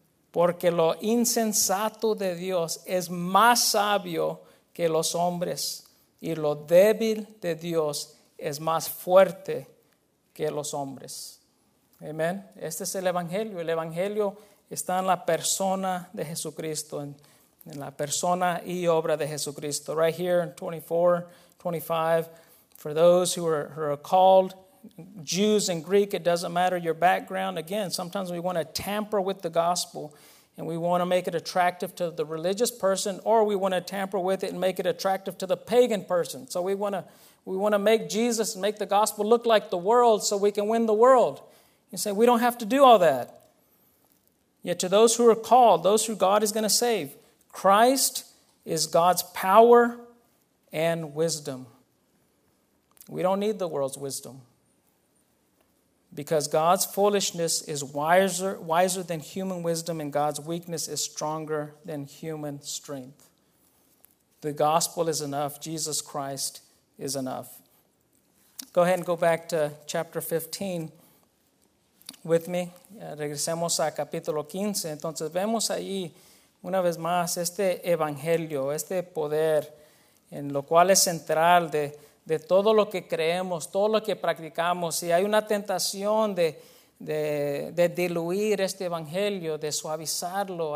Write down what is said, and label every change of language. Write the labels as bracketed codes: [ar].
[es] Porque lo insensato de Dios es más sabio que los hombres, y lo débil de Dios es más fuerte que los hombres. Amén. Este es el Evangelio. El Evangelio está en la persona de Jesucristo, en la persona y obra de Jesucristo. [en] Right here in 24, 25, for those who are called Jews and Greek, it doesn't matter your background. Again, sometimes we want to tamper with the gospel and we want to make it attractive to the religious person, or we want to tamper with it and make it attractive to the pagan person. So we want to make Jesus and make the gospel look like the world so we can win the world. You say, we don't have to do all that. Yet to those who are called, those who God is going to save, Christ is God's power and wisdom. We don't need the world's wisdom, because God's foolishness is wiser than human wisdom, and God's weakness is stronger than human strength. The gospel is enough. Jesus Christ is enough. Go ahead and go back to chapter 15 with me. [es] Regresemos a capítulo 15. Entonces vemos ahí una vez más este evangelio, este poder en lo cual es central de todo lo que creemos, todo lo que practicamos. Y hay una tentación de diluir este evangelio, de suavizarlo.